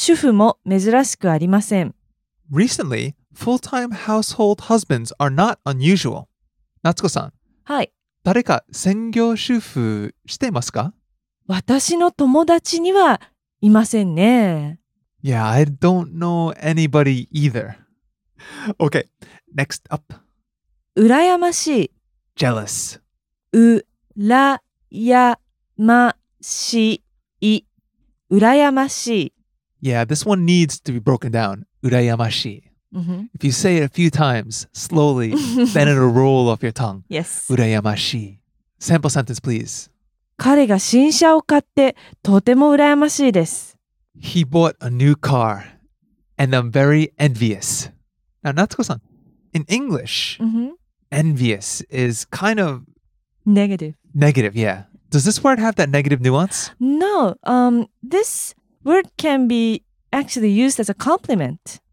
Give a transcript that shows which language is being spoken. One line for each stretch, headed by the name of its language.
Japanese: 最近では専業主婦も珍しくありません.
English: Recently, full-time household husbands are not unusual. Natsuko-san. Hi.
Japanese: 誰か専業主婦してますか? 私の友達にはいませんね.
English: Yeah, I don't know anybody either. Okay, next up.
Japanese: 羨ましい.
English: Jealous.
Japanese: 羨ましい. 羨ましい.
English: Yeah, this one needs to be broken down.
Japanese: 羨ましい.
English: Mm-hmm. If you say it a few times, slowly, then it'll roll off your tongue. Yes.
Japanese: うらやましい.
English: Sample sentence, please.
Japanese: 彼が新車を買ってとても羨ましいです.
English: He bought a new car, and I'm very envious. Now, Natsuko-san, in English, envious is kind of... Negative. Negative, yeah. Does this word have that negative nuance? No. This word can be actually used as a compliment.